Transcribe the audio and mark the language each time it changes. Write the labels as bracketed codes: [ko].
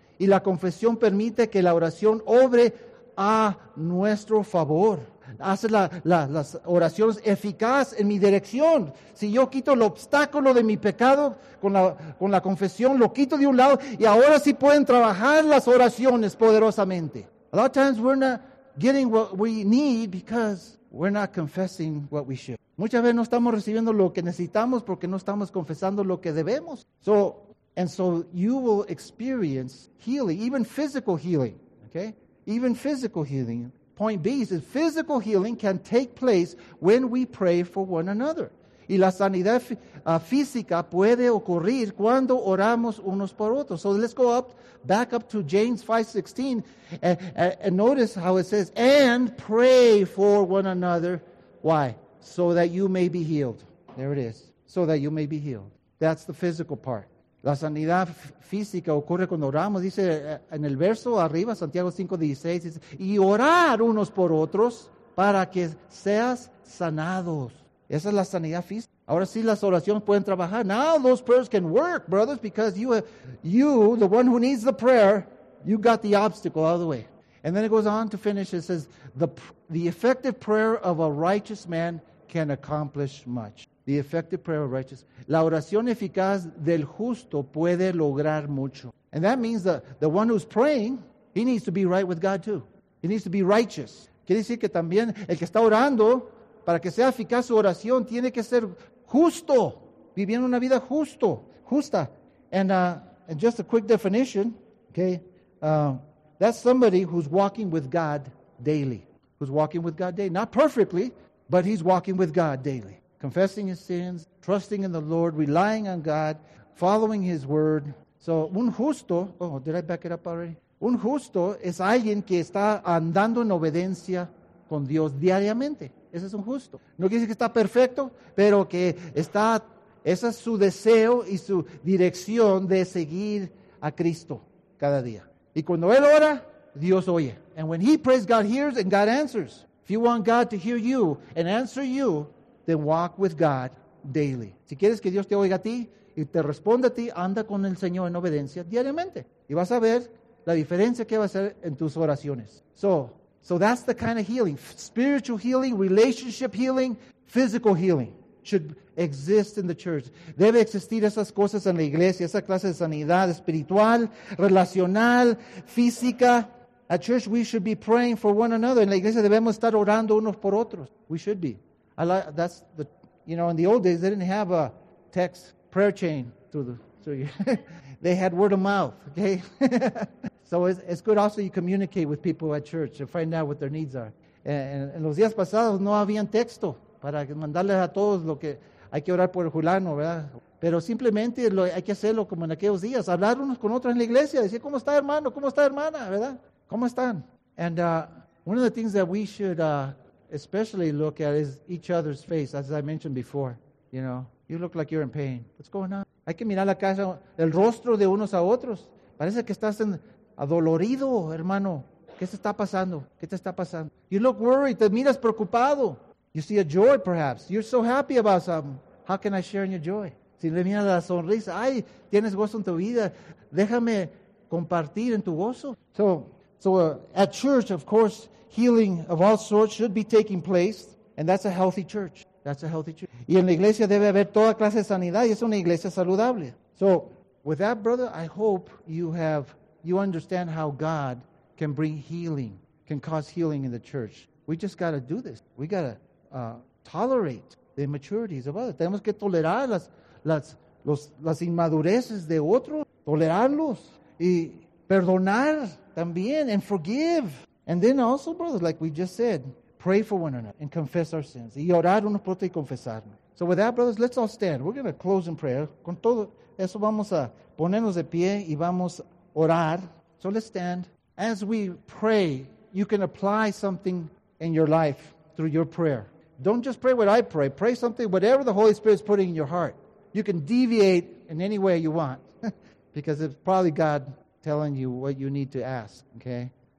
[es] Y la confesión permite que la oración obre a nuestro favor. Hace las oraciones eficaz en mi dirección. Si yo quito el obstáculo de mi pecado con la confesión, lo quito de un lado y ahora sí pueden trabajar las oraciones poderosamente. [en] A lot of times we're not getting what we need because we're not confessing what we should. [es] Muchas veces no estamos recibiendo lo que necesitamos porque no estamos confesando lo que debemos. [en] So you will experience healing, even physical healing, okay? Even physical healing. point B is that physical healing can take place when we pray for one another. [es] Y la sanidad física puede ocurrir cuando oramos unos por otros. [en] So let's go up, back up to James 5:16 and notice how it says, and pray for one another. Why? So that you may be healed. There it is. So that you may be healed. That's the physical part. [es] La sanidad física ocurre cuando oramos. Dice en el verso arriba, Santiago 5:16, dice, y orar unos por otros para que seas sanados. Esa es la sanidad física. Ahora sí las oraciones pueden trabajar. [en] Now those prayers can work, brothers, because you, the one who needs the prayer, you got the obstacle out of the way. And then it goes on to finish. It says, the effective prayer of a righteous man can accomplish much. The effective prayer of righteous. [es] La oración eficaz del justo puede lograr mucho. [en] And that means the one who's praying, he needs to be right with God too. He needs to be righteous. [es] Quiere decir que también el que está orando, para que sea eficaz su oración, tiene que ser justo, viviendo una vida justa. [en] And just a quick definition, okay, that's somebody who's walking with God daily. Who's walking with God daily. Not perfectly, but he's walking with God daily. Confessing his sins, trusting in the Lord, relying on God, following his word. So [es] un justo, [en] oh, did I back it up already? [es] Un justo es alguien que está andando en obediencia con Dios diariamente. Ese es un justo. No quiere decir que está perfecto, pero que está, ese es su deseo y su dirección de seguir a Cristo cada día. Y cuando él ora, Dios oye. [en] And when he prays, God hears and God answers. If you want God to hear you and answer you, then walk with God daily. [es] Si quieres que Dios te oiga a ti y te responda a ti, anda con el Señor en obediencia diariamente. Y vas a ver la diferencia que va a hacer en tus oraciones. [en] So that's the kind of healing. Spiritual healing, relationship healing, physical healing should exist in the church. [es] Debe existir esas cosas en la iglesia, esa clase de sanidad espiritual, relacional, física. [en] At church, we should be praying for one another. [es] En la iglesia debemos estar orando unos por otros. [en] We should be. That's the, you know, in the old days, they didn't have a text prayer chain through you. They had word of mouth, okay? So it's good also you communicate with people at church and find out what their needs are. [es] En los días pasados no habían texto para mandarles a todos lo que hay que orar por el fulano, ¿verdad? Pero simplemente hay que hacerlo como en aquellos días, hablar unos con otros en la iglesia, decir, ¿cómo está hermano? ¿Cómo está hermana? ¿Verdad? ¿Cómo están? [en] And one of the things that we should especially look at is each other's face, as I mentioned before. You know, you look like you're in pain. What's going on? [es] Hay que mirar la cara, el rostro de unos a otros. Parece que estás en adolorido, hermano. ¿Qué te está pasando? ¿Qué te está pasando? [en] You look worried. [es] Te miras preocupado. [en] You see a joy, perhaps. You're so happy about something. How can I share in your joy? [es] Si le miras la sonrisa, ay, tienes gozo en tu vida. Déjame compartir en tu gozo. [en] So at church, of course, healing of all sorts should be taking place. And that's a healthy church. That's a healthy church. [es] Y en la iglesia debe haber toda clase de sanidad. Y es una iglesia saludable. [en] So with that, brother, I hope you understand how God can bring healing, can cause healing in the church. We just got to do this. We got to tolerate the immaturities of others. [es] Tenemos que tolerar las inmadureces de otros, tolerarlos, y perdonar también, [en] and forgive. And then also, brothers, like we just said, pray for one another and confess our sins. [es] Y orar uno por otro y confesarnos. [en] So with that, brothers, let's all stand. We're going to close in prayer. [es] Con todo eso vamos a ponernos de pie y vamos a orar. [en] So let's stand. As we pray, you can apply something in your life through your prayer. Don't just pray what I pray. Pray something, whatever the Holy Spirit is putting in your heart. You can deviate in any way you want because it's probably God telling you what you need to ask, okay?